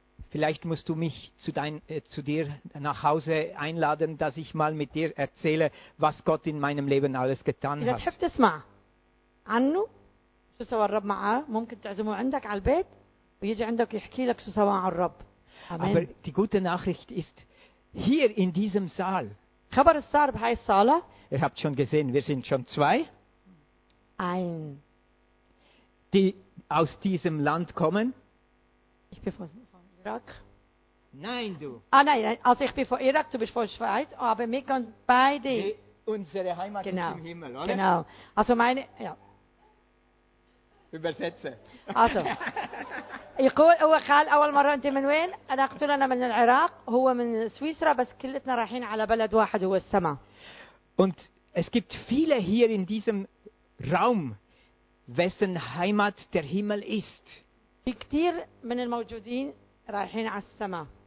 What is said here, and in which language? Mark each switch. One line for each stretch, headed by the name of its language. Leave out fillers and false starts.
German: Vielleicht musst du mich zu dir nach Hause einladen, dass ich mal mit dir erzähle, was Gott in meinem Leben alles getan hat.
Arabic: شو سوى الرب معاه؟ ممكن تعزمه عندك على البيت ويجي عندك يحكي لك شو سوى مع الرب.
German: Amen. Aber die gute Nachricht ist hier in diesem Saal.
Arabic: خبر السار بهاي الصالة.
German: Ihr habt schon gesehen, wir sind schon zwei. Ein. Die aus diesem Land kommen. Ich bin von Irak. Nein, du. Ah nein, also ich bin von Irak, du bist von Schweiz, aber wir können beide. Unsere Heimat genau. ist im Himmel, oder? Genau. Also meine, ja. Übersetze. Also,
Arabic: يقول هو قال أول مرة أنت من وين؟ أنا قلت له أنا من العراق. هو من سويسرا، بس كلتنا رايحين على بلد واحد هو السماء.
German: Und es gibt viele hier in diesem Raum, wessen Heimat der Himmel ist.
Arabic: في كتير من الموجودين رايحين على السماء.